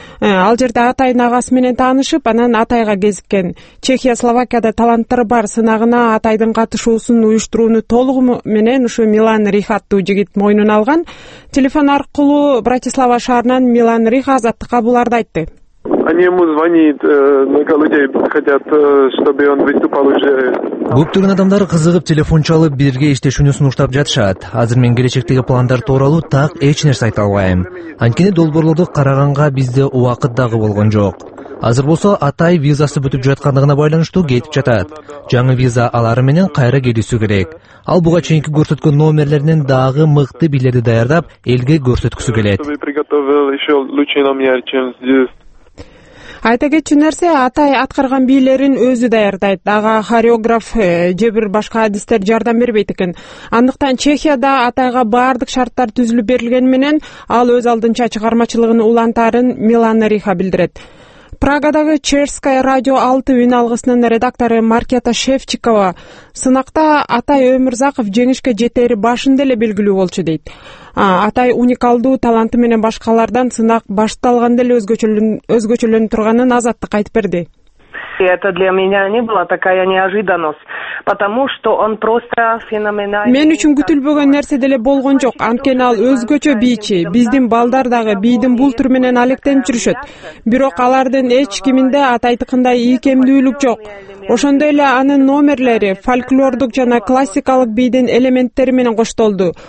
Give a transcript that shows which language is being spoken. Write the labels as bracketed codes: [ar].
[ky] Ал жерде Атайдын агасы менен таанышып, анан Атайга кезиккен. Чехия Словакияда таланттар бар сынагына Атайдын катышуусун уюштурууну толугу менен ушу Милан Риха аттуу жигит мойнуна алган. Телефон аркылуу Братислава шаарынан Милан Риха Азаттыкка буларды айтты. [ru] Они ему звонит, много людей хотят, чтобы он выступал уже. [ky] Көптөгөн адамдар кызыгып телефон чалып, бирге иштешүүнү сунуштап жатышат. Азыр мен келечектеги пландар тууралуу так эч нерсе айта албайм. Анткени долбоорлорду караганга бизде убакыт дагы болгон жок. Азыр болсо атай визасы бүтүп жаткандыгына байланыштуу кетип жатат. Жаңы виза алары менен кайра келүүсү керек. Ал буга чейинки көрсөткөн номерлеринен дагы мыкты билерди даярдап, элге көрсөткүсү келет. Айта кетчү нерсе, атай аткарган бийлерин өзү даярдайт. Ага хореограф же бир башка адистер жардам бербейт экен. Андыктан Чехияда атайга бардык шарттар түзүлүп берилген менен ал өз алдынча чыгармачылыгын улантарын Милана Риха билдирет. Прагадагы Чешская радио 6 үн алгысынын редактору Маркета Шевчикова сынакта атай Өмүрзаков жеңишке жетери башында эле белгилүү болчу дейт. Атай уникалдуу таланты менен башкалардан сынак башталганда эле өзгөчөлөнүп турганын азаттык айтып берди. [ru] Это для меня не была такая неожиданность, потому что он просто феноменальный. [ky] Мен үчүн күтүлбөгөн нерсе деле болгон жок, анткени ал өзгөчө бийчи. Биздин балдар дагы бийдин бул түрү менен алектенип жүрүшөт. Бирок алардын эч кимде атайтыкындай ийкемдүүлүк жок. Ошондой эле анын номерлери фольклордук жана классикалык бийдин элементтери менен коштолду.